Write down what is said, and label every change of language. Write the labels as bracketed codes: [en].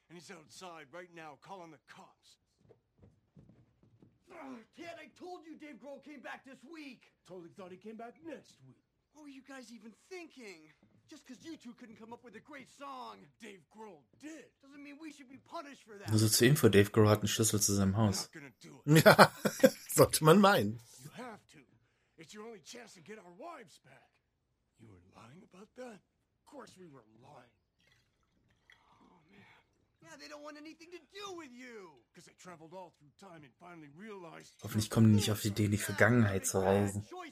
[en] And he's outside right now calling the cops. Ted, I told you Dave Grohl came back this week. Totally thought he came back next week. What were you guys even thinking? Just because you two couldn't come up with a great song, Dave Grohl did. Doesn't mean we should be punished for that. [de] Also zur Info, Dave Grohl hat einen Schlüssel zu seinem Haus. Ja, sollte man meinen. [en] You have to. It's your only chance to get our wives back. You were lying about that? Of course we were lying. Oh, man. Yeah, they don't want anything to do with you. Because they traveled all through time and finally realized... [de] Hoffentlich kommen die nicht auf die Idee, in die Vergangenheit zu reisen.